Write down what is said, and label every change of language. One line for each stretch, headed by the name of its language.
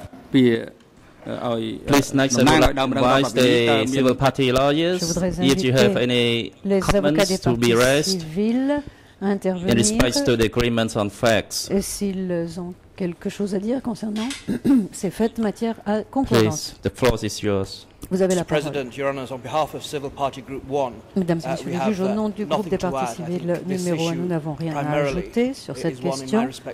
English: Please next advise the civil party lawyers if you have any comments to be raised in respect to the agreements on facts.
French: Et s'ils ont quelque chose à dire concernant ces faits matière à concordance.
English: Please, the floor is yours.
French: Vous avez la
English: President, Your Honours, on behalf of Civil Party Group 1,
French: mesdames et messieurs les juges, au nom du groupe des partis civils numéro 1, nous n'avons rien à ajouter sur cette question.